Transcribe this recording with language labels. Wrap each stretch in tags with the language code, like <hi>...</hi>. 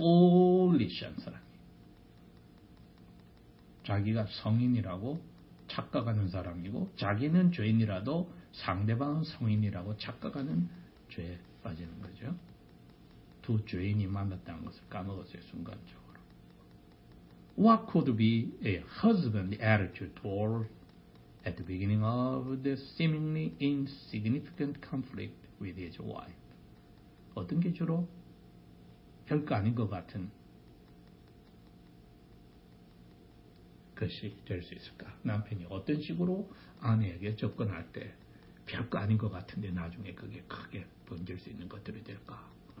<ko>Foolish한 사람이에요. 자기가 성인이라고 착각하는 사람이고 자기는 죄인이라도 상대방은 성인이라고 착각하는 죄에 빠지는 거죠. 두 죄인이 만났다는 것을 까먹었어요. 순간적으로.</ko> <en>What could be a husband attitude toward at the beginning of the seemingly insignificant conflict with his wife?</en> <ko>어떤 게 주로 별거 아닌 것 같은 것이 될 수 있을까? 남편이 어떤 식으로 아내에게 접근할 때 별거 아닌 것 같은데 나중에 그게 크게 번질 수 있는 것들이 될까?</ko>